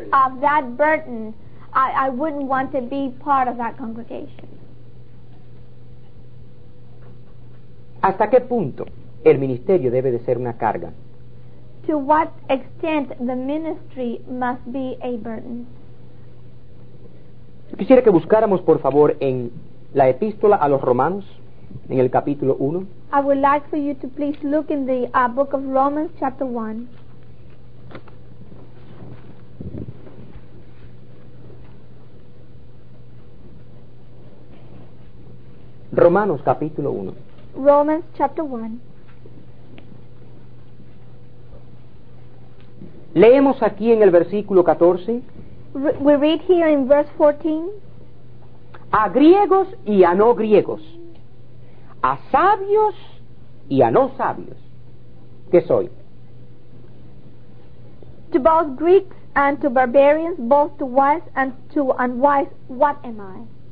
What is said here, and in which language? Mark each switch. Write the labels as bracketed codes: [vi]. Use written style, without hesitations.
[en] of that burden, I wouldn't want to be part of that congregation. [es] ¿Hasta qué punto el ministerio debe de ser una carga? [en] To what extent the ministry must be a burden? [es] Quisiera que buscáramos, por favor, en la epístola a los Romanos, en el capítulo 1. [en] I would like for you to please look in the book of Romans, chapter 1. [es] Romanos, capítulo 1. [en] Romans, chapter 1. [es] Leemos aquí en el versículo 14. [en] We read here in verse 14. [es] A griegos y a no griegos, a sabios y a no sabios, ¿qué soy? [en] To both Greeks and to barbarians, both to wise and to unwise, what am I?